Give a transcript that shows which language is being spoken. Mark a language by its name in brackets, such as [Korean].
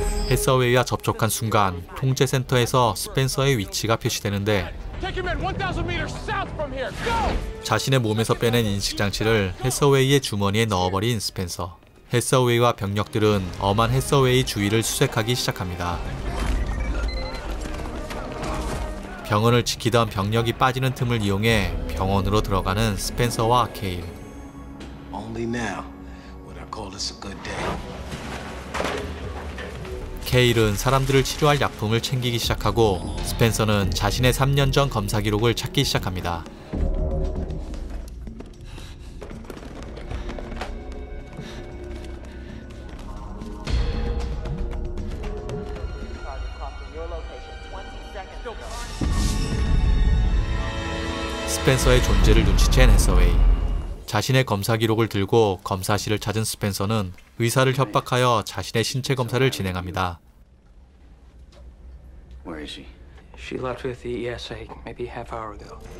[Korean] 해서웨이와 접촉한 순간 통제센터에서 스펜서의 위치가 표시되는데 자신의 몸에서 빼낸 인식장치를 해서웨이의 주머니에 넣어버린 스펜서. 해서웨이와 병력들은 엄한 해서웨이 주위를 수색하기 시작합니다. 병원을 지키던 병력이 빠지는 틈을 이용해 병원으로 들어가는 스펜서와 케일. [English] Only now would I call this a good day. [Korean] 케일은 사람들을 치료할 약품을 챙기기 시작하고 스펜서는 자신의 3년 전 검사 기록을 찾기 시작합니다. 스펜서의 존재를 눈치챈 해서웨이. 자신의 검사 기록을 들고 검사실을 찾은 스펜서는 의사를 협박하여 자신의 신체 검사를 진행합니다. [English] Where is she? She left with the ESA maybe half hour ago.